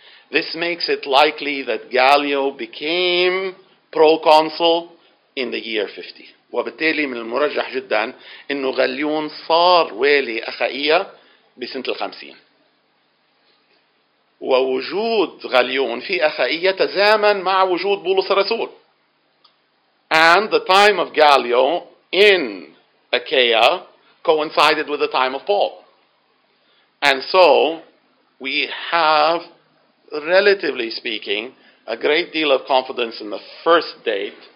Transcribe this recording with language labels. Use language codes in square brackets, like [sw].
[en] This makes it likely that Gallio became proconsul in the year 50. [ar] وبالتالي من المرجح جدا انه غاليون صار والي أخائية بسنة الخمسين. ووجود غاليون في أخائية تزامن مع وجود بولس الرسول. [en] And the time of Gallio in Achaia coincided with the time of Paul. And so we have, relatively speaking, a great deal of confidence in the first date.